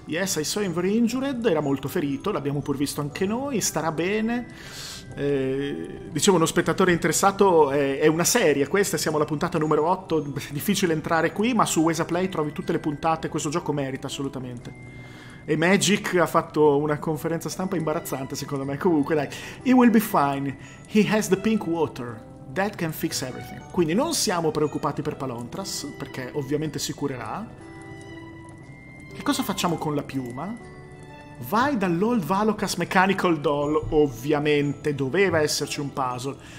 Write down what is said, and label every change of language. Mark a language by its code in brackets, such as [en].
[en] Yes, I saw him very injured. [it] Era molto ferito, l'abbiamo pur visto anche noi. Starà bene. Dicevo, uno spettatore interessato è una serie, questa siamo alla puntata numero 8, difficile entrare qui, ma su Wesaplay trovi tutte le puntate, questo gioco merita assolutamente. E Magic ha fatto una conferenza stampa imbarazzante secondo me. Comunque dai, [en] he will be fine, he has the pink water that can fix everything. [it] Quindi non siamo preoccupati per Palantras, perché ovviamente si curerà. Che cosa facciamo con la piuma? Vai dall'Old Valokas Mechanical Doll, ovviamente, doveva esserci un puzzle.